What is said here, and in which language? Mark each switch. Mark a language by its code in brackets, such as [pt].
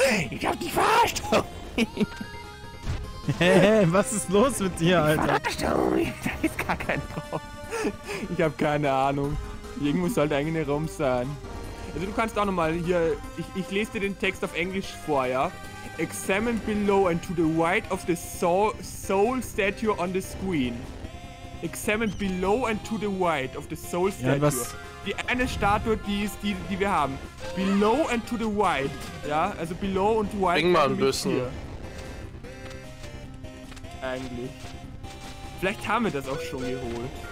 [de] Ich hab dich verarscht, Homie! Hey, was ist los mit dir, Alter? Verarscht, Homie! Da ist gar kein Raum. Ich hab keine Ahnung. Irgendwo soll der eigene Raum sein. Also du kannst auch nochmal hier... Ich lese dir den Text auf Englisch vor, ja? [en] Examine below and to the right of the soul statue on the screen. Examine below and to the right of the soul statue. [de] Ja, was? Die eine Statue, die ist die, die wir haben. [en] Below and to the right. [de] Ja, also [en] below und right. [de] Bring mal ein bisschen. Hier. Eigentlich. Vielleicht haben wir das auch schon geholt.